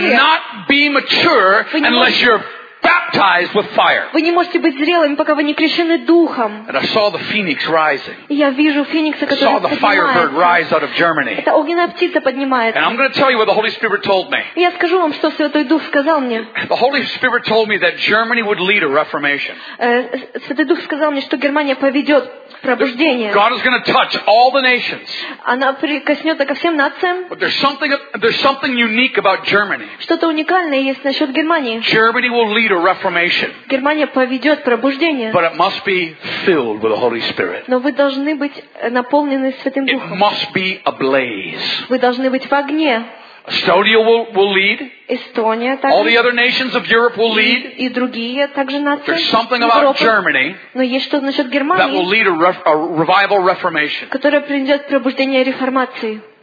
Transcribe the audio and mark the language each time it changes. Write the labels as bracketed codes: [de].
[en] You cannot be mature unless you're baptized with fire. [ru] Вы не можете быть зрелыми, пока вы не крещены духом. [en] And I saw the phoenix rising. [ru] Я вижу феникса, который поднимается. [en] Saw the firebird rise out of Germany. [ru] Это огненная птица поднимается. [en] And I'm going to tell you what the Holy Spirit told me. [ru] Я скажу вам, что Святой Дух сказал мне. [en] The Holy Spirit told me that Germany would lead a reformation. [ru] Святой Дух сказал мне, что Германия поведет пробуждение. [en] God is going to touch all the nations. [ru] Она прикоснется ко всем нациям. [en] But there's something unique about Germany. [ru] Что-то уникальное есть насчет Германии. [en] Germany will lead a reformation. [ru] Германия поведет пробуждение. [en] But it must be filled with the Holy Spirit. [ru] Но вы должны быть наполнены Святым Духом. [en] It must be ablaze. [ru] Вы должны быть в огне. [en] Estonia will lead. [ru] Эстония также. [en] All the other nations of Europe will lead. [ru] И другие также нации. [en] There's something about Germany. [ru] Но есть что насчет Германии. [en] That will lead a revival reformation. [ru] Которая принесет пробуждение реформации.